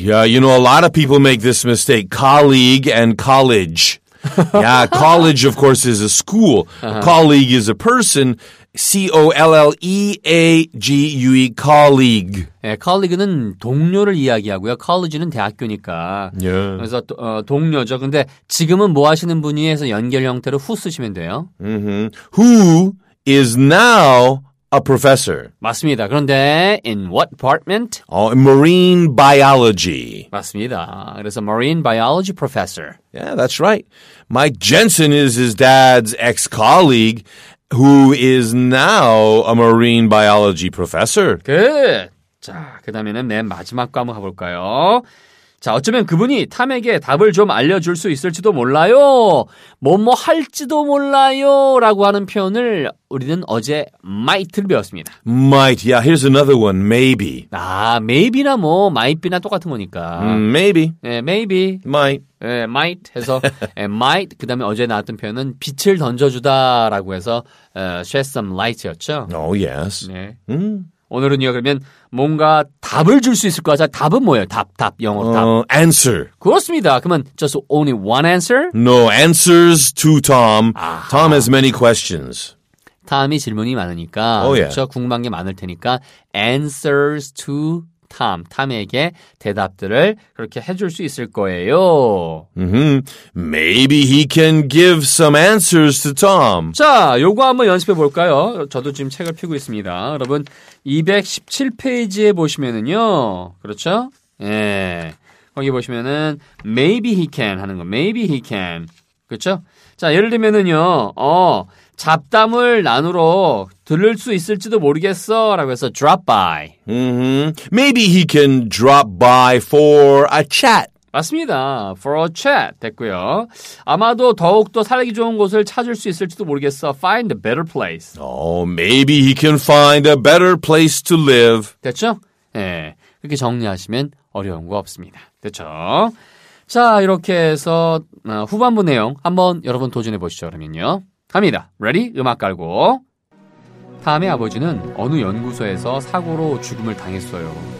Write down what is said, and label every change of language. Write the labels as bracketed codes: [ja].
[en] Yeah, you know, a lot of people make this mistake. Colleague and college. Yeah, college, of course, is a school. Uh-huh. A colleague is a person. C-O-L-L-E-A-G-U-E, colleague. [ko] 네, colleague는 동료를 이야기하고요. college는 대학교니까. [en] Yeah. [ko] 그래서 동료죠. 근데 지금은 뭐 하시는 분이 해서 연결 형태로 who 쓰시면 돼요. [en] Mm-hmm. Who is now a professor. [ko] 맞습니다. [en] 그런데 in what department? Marine biology. [ko] 맞습니다. [en] 그래서 marine biology professor. Yeah, that's right. Mike Jensen is his dad's ex-colleague. Who is now a marine biology professor. Good. [ko] 자, 그 다음에는 맨 마지막 과목 가볼까요? 자, 어쩌면 그분이 탐에게 답을 좀 알려줄 수 있을지도 몰라요. 뭐뭐 할지도 몰라요. 라고 하는 표현을 우리는 어제 might를 배웠습니다. [en] Might. Yeah, here's another one. Maybe. [ko] 아, maybe나 뭐 might비나 똑같은 거니까. [en] Maybe. [ko] 네, maybe. [en] Might. [ko] 네, might 해서 네, might. 그 다음에 어제 나왔던 표현은 빛을 던져주다라고 해서 shed some light였죠. Oh, yes. 네. 오늘은요, 그러면 뭔가 답을 줄 수 있을 것 같아. 답은 뭐예요? 답, 영어로 답. [en] Answer. [ko] 그렇습니다. [en] 그러면 just only one answer? No, answers to Tom. 아하. Tom has many questions. [ko] 탐이 질문이 많으니까. [en] Oh, yeah. [ko] 그렇죠? 궁금한 게 많을 테니까. [en] Answers to Tom. [ko] 탐에게 대답들을 그렇게 해줄 수 있을 거예요. Mm-hmm. [en] Maybe he can give some answers to Tom. [ko] 자, 요거 한번 연습해 볼까요? 저도 지금 책을 펴고 있습니다. 여러분, 217페이지에 보시면은요. 그렇죠? 예. 거기 보시면은, [en] maybe he can [ko] 하는 거. [en] Maybe he can. [ko] 그렇죠? 자, 예를 들면은요. 잡담을 나누러 들을 수 있을지도 모르겠어 라고 해서 drop by. Mm-hmm. [en] Maybe he can drop by for a chat. [ko] 맞습니다. For a chat 됐고요. 아마도 더욱더 살기 좋은 곳을 찾을 수 있을지도 모르겠어. [en] Find a better place. Oh, maybe he can find a better place to live. [ko] 됐죠? 예, 네, 그렇게 정리하시면 어려운 거 없습니다. 됐죠? 자, 이렇게 해서 후반부 내용 한번 여러분 도전해 보시죠. 그러면요. 갑니다. Ready? 음악 깔고. 다음에 아버지는 어느 연구소에서 사고로 죽음을 당했어요.